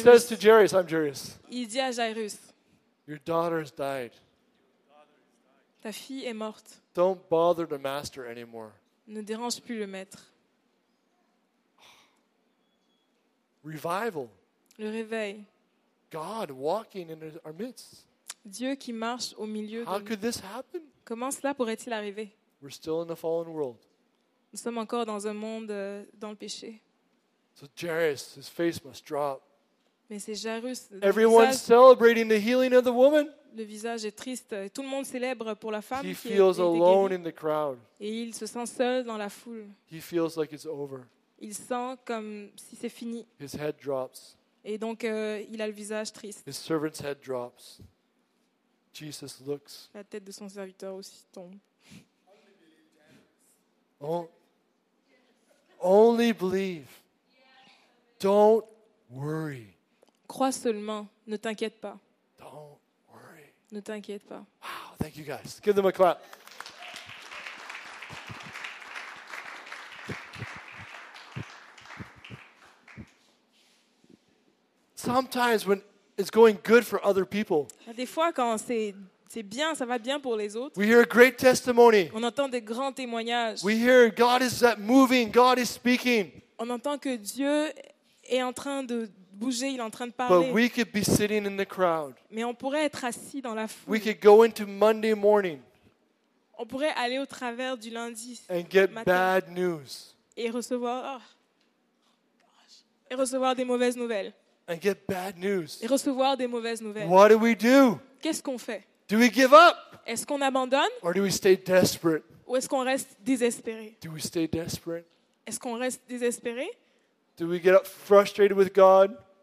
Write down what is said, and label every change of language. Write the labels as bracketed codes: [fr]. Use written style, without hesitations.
[en] He says to Jairus, I'm Jairus. [fr] Il dit à Jairus, [en] your daughter has died. [fr] Ta fille est morte. [en] Don't bother the master anymore. [fr] Ne dérange plus le maître. [en] Revival. [fr] Le réveil. [en] God walking in our midst. [fr] Dieu qui marche au milieu de nous. [en] How could this happen? [fr] Comment cela pourrait-il arriver? [en] We're still in a fallen world. [fr] Nous sommes encore dans un monde dans le péché. [en] So Jairus, his face must drop. [fr] Mais c'est Jairus. [en] Everyone's celebrating the healing of the woman. [fr] Le visage est triste. Tout le monde célèbre pour la femme [en] he [fr] qui [en] feels [fr] est [en] alone [fr] guérie. [en] In the crowd. [fr] Et il se sent seul dans la foule. [en] He feels like it's over. [fr] Il sent comme si c'est fini. [en] His head drops. [fr] Et donc il a le visage triste. [en] His servant's head drops. Jesus looks. [fr] La tête de son serviteur aussi tombe. [en] Only believe. Don't worry. [fr] Crois seulement, ne t'inquiète pas. [en] Don't worry. [fr] Ne t'inquiète pas. [en] Wow, thank you guys. Give them a clap. Sometimes when it's going good for other people. [fr] Des fois quand c'est bien, ça va bien pour les autres. [en] We hear a great testimony. [fr] On entend des grands témoignages. [en] We hear God is moving, God is speaking. [fr] On entend que Dieu est en train de bouger, il est en train de parler. [en] But we could be sitting in the crowd. [fr] Mais on pourrait être assis dans la foule. [en] We could go into Monday morning. [fr] On pourrait aller au travers du lundi matin. [en] And get bad news. [fr] Et recevoir des mauvaises nouvelles. [en] And get bad news. [fr] Et recevoir des mauvaises nouvelles. [en] What do we do? [fr] Qu'est-ce qu'on fait? [en] Do we give up? [fr] Est-ce qu'on abandonne? [en] Or do we stay desperate? [fr] Ou est-ce qu'on reste désespéré? [en] Do we stay desperate? [fr] Est-ce qu'on reste désespéré? [en] Do we get frustrated with God?